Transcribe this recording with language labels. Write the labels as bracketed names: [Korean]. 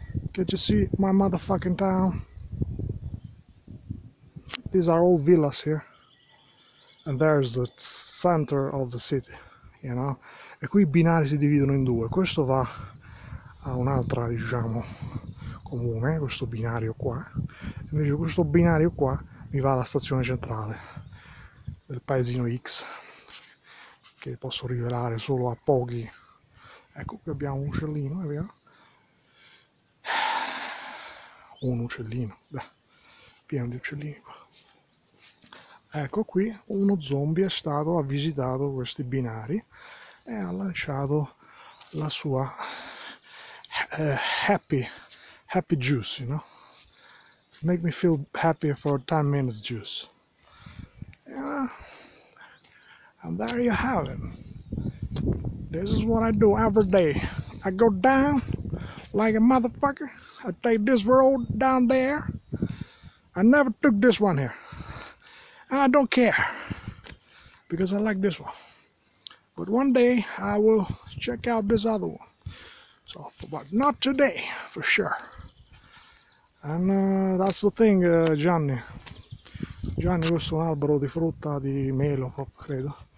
[English] Can't you see my motherfucking town? These are all villas here. And there's the center of the city, you know? [Italian] E qui i binari si dividono in due. Questo va a un'altra, diciamo, comune, questo binario qua. Invece questo binario qua mi va alla stazione centrale del paesino X, che posso rivelare solo a pochi. Ecco, qui abbiamo un uccellino, è vero? Un uccellino, beh, pieno di uccellini qua. Ecco qui, uno zombie ha visitato questi binari e ha lanciato la sua [English] happy juice, you know? Make me feel happy for 10 minutes juice. And there you have it. This is what I do every day. I go down like a motherfucker. I take this road down there. I never took this one here. And I don't care because I like this one. But one day I will check out this other one. So, but not today, for sure. And that's the thing, Gianni. [Italian] Gianni, questo è un albero di frutta, di melo, credo.